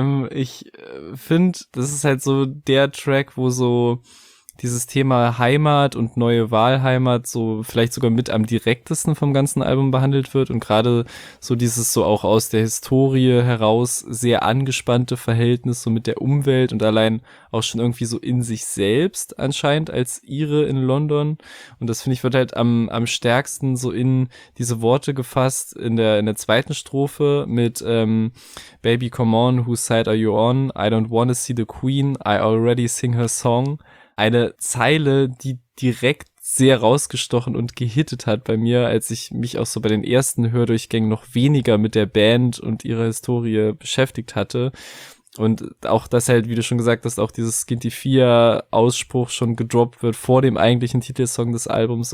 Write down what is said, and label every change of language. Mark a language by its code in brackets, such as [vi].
[de] Ich finde, das ist halt so der Track, wo so dieses Thema Heimat und neue Wahlheimat so vielleicht sogar mit am direktesten vom ganzen Album behandelt wird und gerade so dieses so auch aus der Historie heraus sehr angespannte Verhältnis so mit der Umwelt und allein auch schon irgendwie so in sich selbst anscheinend als Ire in London. Und das finde ich wird halt am stärksten so in diese Worte gefasst in der zweiten Strophe mit [en] Baby, come on, whose side are you on? I don't wanna see the queen, I already sing her song. [de] Eine Zeile, die direkt sehr rausgestochen und gehittet hat bei mir, als ich mich auch so bei den ersten Hördurchgängen noch weniger mit der Band und ihrer Historie beschäftigt hatte. Und auch, dass halt, wie du schon gesagt hast, auch dieses Skintifia-Ausspruch schon gedroppt wird vor dem eigentlichen Titelsong des Albums.